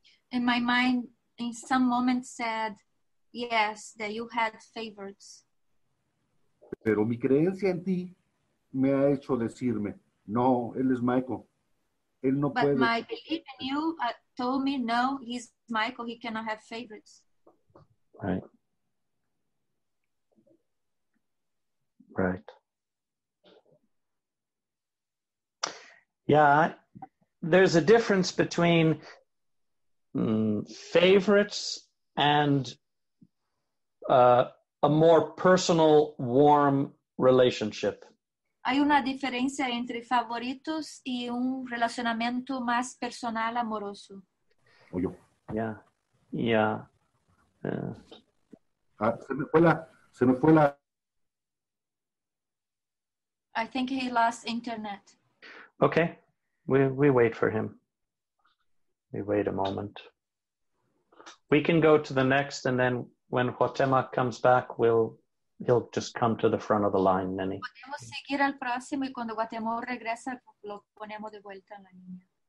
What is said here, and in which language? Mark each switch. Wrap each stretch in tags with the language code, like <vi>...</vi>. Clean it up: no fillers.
<en>In my mind, in some moment said, yes, that you had favorites.</en> <es>Pero mi creencia en ti me ha hecho decirme, no, él es Michael, él no</es> <en>but</en> <es>puede.</es> <en>But my belief in you told me, no, he's Michael, he cannot have favorites. Right. Right. Yeah, there's a difference between favorites and a more personal, warm relationship.</en> <es>Hay una diferencia entre favoritos y un relacionamiento más personal, amoroso. Oye.</es> <en>Yeah.</en> <es>Se me fue la.</es> <en>I think he lost internet. Okay, we wait for him. We wait a moment. We can go to the next, and then when Cuauhtémoc comes back, he'll just come to the front of the line, Nini.</en> <es>Podemos seguir al próximo, y cuando Cuauhtémoc regresa, lo ponemos de vuelta en la línea.</es>